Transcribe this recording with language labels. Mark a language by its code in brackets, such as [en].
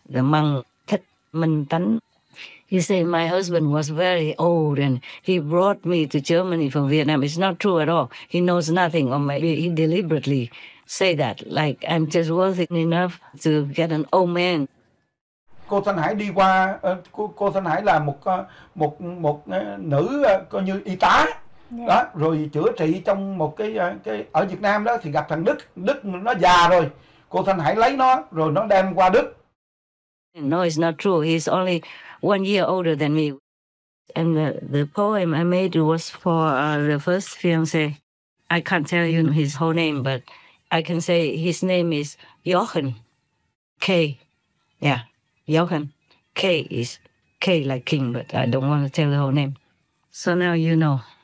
[en] The monk Thích Minh Tánh. He said my husband was very old and he brought me to Germany from Vietnam. It's not true at all. He knows nothing, or maybe he deliberately say that, like I'm just worthy enough to get an old man. [vi] Cô Thanh Hải đi qua, cô Thanh Hải là một nữ coi như y tá. Đó, rồi chữa trị trong một cái ở Việt Nam đó, thì gặp thằng Đức. Đức nó già rồi, cô Thanh Hải lấy nó rồi nó đem qua Đức. [en] No, it's not true. He's only 1 year older than me. And the poem I made was for the first fiancé. I can't tell you his whole name, but I can say his name is Jochen K. Yeah, Jochen K is K like King, but I don't want to tell the whole name. So now you know.